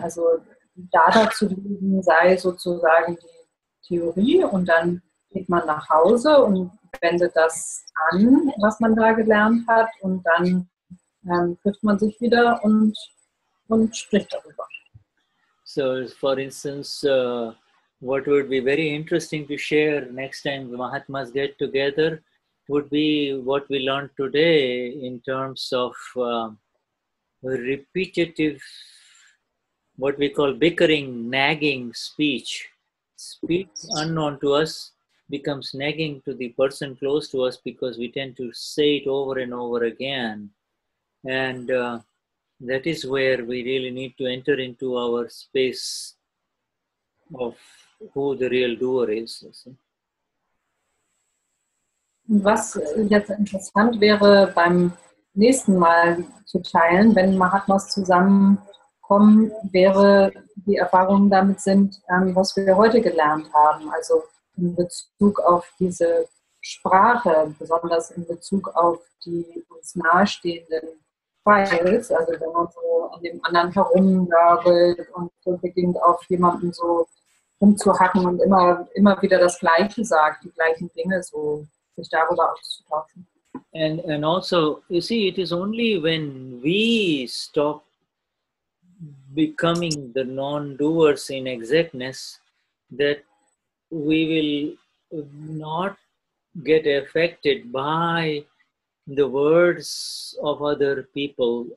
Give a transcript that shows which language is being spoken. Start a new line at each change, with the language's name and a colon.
German: Also Dada zu lesen sei sozusagen die Theorie und dann geht man nach Hause und wendet das an, was man da gelernt hat, und dann trifft man sich wieder und spricht darüber.
English: So, for instance, what would be very interesting to share next time the Mahatmas get together would be what we learned today in terms of repetitive, what we call bickering, nagging speech. Speech unknown to us becomes nagging to the person close to us because we tend to say it over and over again. And that is where we really need to enter into our space of who the real doer is.
German: Was jetzt interessant wäre, beim nächsten Mal zu teilen, wenn Mahatmas zusammenkommen, wäre die Erfahrung damit sind, was wir heute gelernt haben, also in Bezug auf diese Sprache, besonders in Bezug auf die uns nahestehenden Files, also wenn man so an dem anderen herumnörgelt und so beginnt, auf jemanden so rumzuhacken und immer wieder das Gleiche sagt, die gleichen Dinge, so sich darüber auszutauschen.
English: And also, you see, it is only when we stop becoming the non-doers in exactness that we will not get affected by the words of other people.